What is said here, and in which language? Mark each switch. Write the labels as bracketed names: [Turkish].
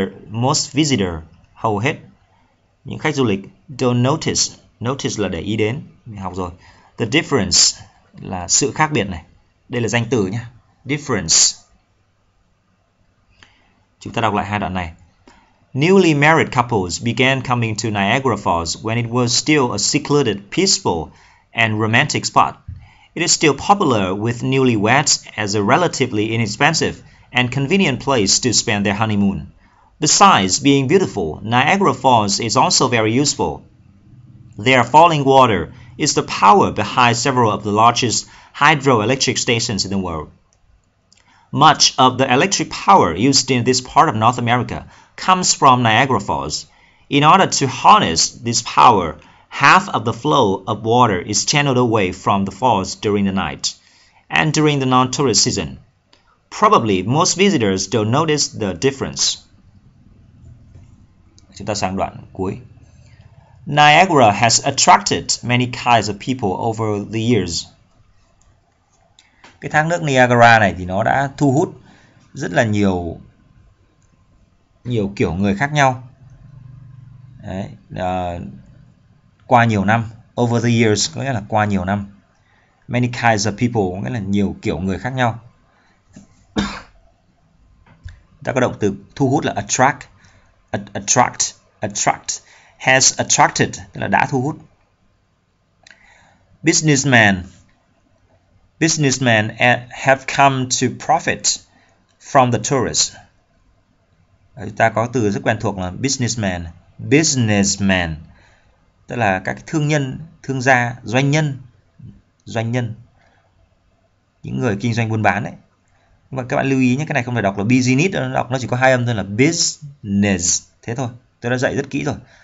[Vietnamese] Most visitor, hầu hết những khách du lịch don't notice, notice là để ý đến, mình học rồi. The difference là sự khác biệt này. Đây là danh từ nhé. Difference. Chúng ta đọc lại hai đoạn này. [English] Newly married couples began coming to Niagara Falls when it was still a secluded, peaceful, and romantic spot. It is still popular with newlyweds as a relatively inexpensive and convenient place to spend their honeymoon. Besides being beautiful, Niagara Falls is also very useful. Their falling water is the power behind several of the largest hydroelectric stations in the world. Much of the electric power used in this part of North America comes from Niagara Falls. In order to harness this power, half of the flow of water is channeled away from the falls during the night and during the non-tourist season. Probably most visitors don't notice the difference. [Vietnamese] Chúng ta sang đoạn cuối. [English] Niagara has attracted many kinds of people over the years. [Vietnamese] Cái thác nước Niagara này thì nó đã thu hút rất là nhiều kiểu người khác nhau. Đấy, qua nhiều năm, over the years có nghĩa là qua nhiều năm. Many kinds of people có nghĩa là nhiều kiểu người khác nhau. Ta có động từ thu hút là attract, has attracted là đã thu hút. [English] Businessmen have come to profit from the tourists. [Vietnamese] Ta có từ rất quen thuộc là businessman, tức là các thương nhân, thương gia, doanh nhân, những người kinh doanh buôn bán ấy. Nhưng mà các bạn lưu ý nhé, cái này không phải đọc là business, đọc nó chỉ có hai âm thôi là business, thế thôi. Tôi đã dạy rất kỹ rồi.